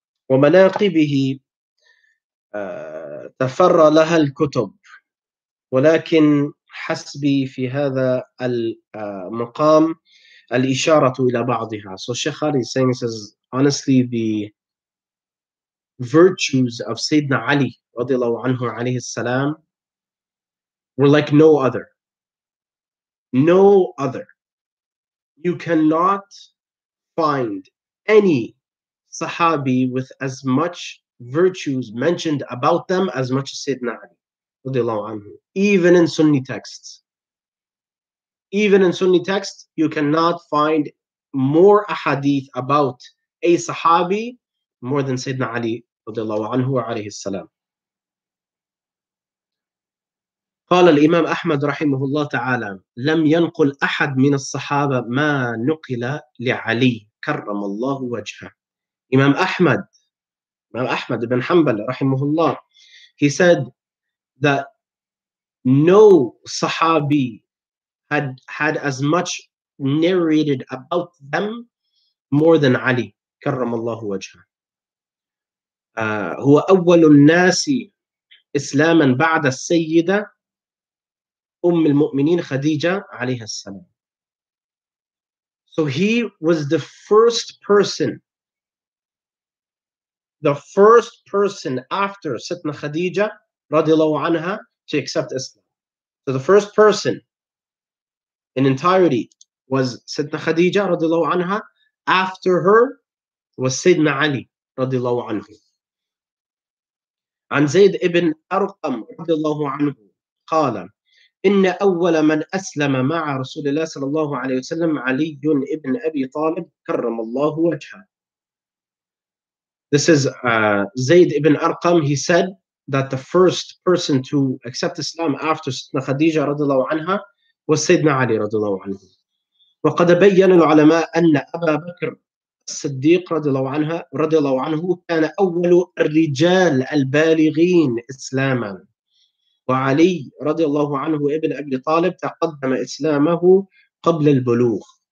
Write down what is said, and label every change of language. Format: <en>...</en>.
<ar>ومناقبه تفر لها الكتب ولكن حسبي في هذا المقام الإشارة إلى بعضها.</ar> <en>So Sheikh Ali is saying, he says, honestly, the virtues of Sayyidina Ali radiallahu anhu alayhi salam were like no other. No other. You cannot find any Sahabi with as much virtues mentioned about them as much as Sayyidina Ali radiallahu anhu, even in Sunni texts. Even in Sunni texts, you cannot find more ahadith about a Sahabi more than Sayyidina Ali radiallahu anhu wa alayhi salam.</en> <ar>قال الإمام أحمد رحمه الله تعالى لم ينقل أحد من الصحابة ما نقل لعلي كرم الله وجهه.</ar> <en>Imam Ahmad ibn Hanbal</en> <ar>رحمه الله,</ar> <en>he said that no Sahabi had as much narrated about them more than Ali</en> <ar>كرم الله وجهه. هو أول الناس إسلاما بعد السيدة أم المؤمنين خديجة عليها السلام.</ar> <en>So he was the first person after Sidna Khadija radiallahu anha to accept Islam. So the first person in entirety was Sidna Khadija radiallahu anha. After her was Sidna Ali radiallahu anhu.</en> <ar>عن زيد ابن أرقم رضي الله عنه قال إن أول من أسلم مع رسول الله صلى الله عليه وسلم علي ابن أبي طالب كرم الله وجهه.</ar> <en>This is Zayd ibn Arqam. He said that the first person to accept Islam after Khadija</en> <ar>رضي الله عنها وسيدنا علي رضي الله عنه. وقد بين العلماء أن أبا بكر الصديق رضي الله عنه كان أول الرجال البالغين إسلاما، وعلي رضي الله عنه ابن أبي طالب تقدم إسلامه قبل البلوغ.</ar>